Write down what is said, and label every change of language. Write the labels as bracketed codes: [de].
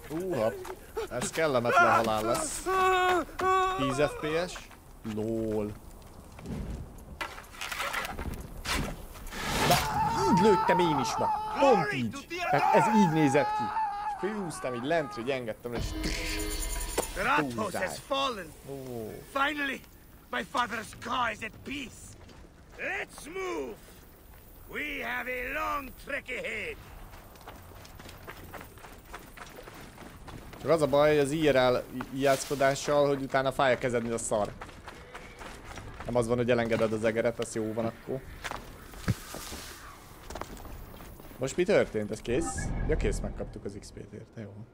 [hu] Húha, ez kellemetlen halál lesz. 10 FPS? LOL. Na, így lőttem én is ma. Pont így. Tehát ez így nézett ki. Főhúztam így lent, hogy engedtem, és... [en] The Rathos has fallen. Oh. Finally, my father's car is at peace. Let's move. We have a long trek ahead. [hu] Csak az a baj, hogy az IRL játszkodással, hogy utána fáj a kezed, mint a szar. Nem az van, hogy elengeded az egeret, az jó van akkor. Most mi történt? Ez kész? Ja, kész, megkaptuk az XP-t érte, jó.